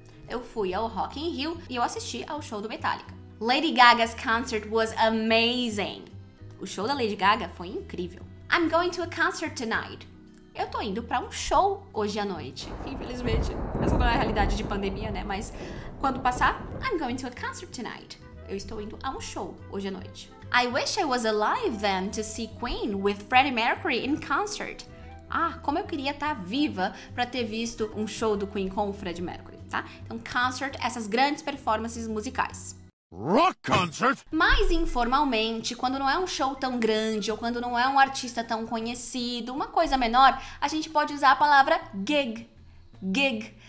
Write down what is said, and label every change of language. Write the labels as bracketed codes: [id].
[pt] Eu fui ao Rock in Rio e eu assisti ao show do Metallica. [en] Lady Gaga's concert was amazing. [pt] O show da Lady Gaga foi incrível. [en] I'm going to a concert tonight. [pt] Eu tô indo para um show hoje à noite. Infelizmente, essa não é a realidade de pandemia, né? Mas quando passar, [en] I'm going to a concert tonight. [pt] Eu estou indo a um show hoje à noite. [en] I wish I was alive then to see Queen with Freddie Mercury in concert. [pt] Ah, como eu queria estar viva para ter visto um show do Queen com o Freddie Mercury, tá? Então, concert, essas grandes performances musicais. [en] Rock concert? [pt] Mais informalmente, quando não é um show tão grande ou quando não é um artista tão conhecido, uma coisa menor, a gente pode usar a palavra gig. Gig.